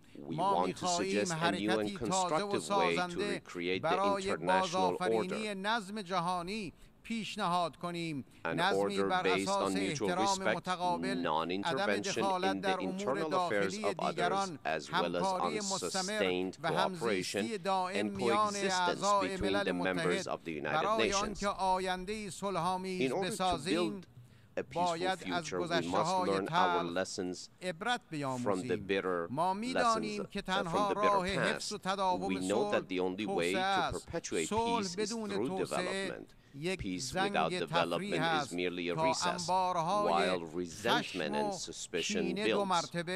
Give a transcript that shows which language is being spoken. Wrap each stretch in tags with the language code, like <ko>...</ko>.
<en>We want to suggest a new and constructive way to recreate the international order.</en> <fa>پیشنهاد کنیم نظمی بر اساس احترام متقابل، عدم دخالت در امور داخلی دیگران، همکاری مستمر و همزیستی دائم میان اعضای ملل متحد برای آنکه آینده‌ای صلح‌آمیز بسازیم.</fa> <en>a peaceful future, we must learn our lessons from the bitter lessons, from the bitter past. We know that the only way to perpetuate peace is through development. Peace without development is merely a recess, while resentment and suspicion builds.</en>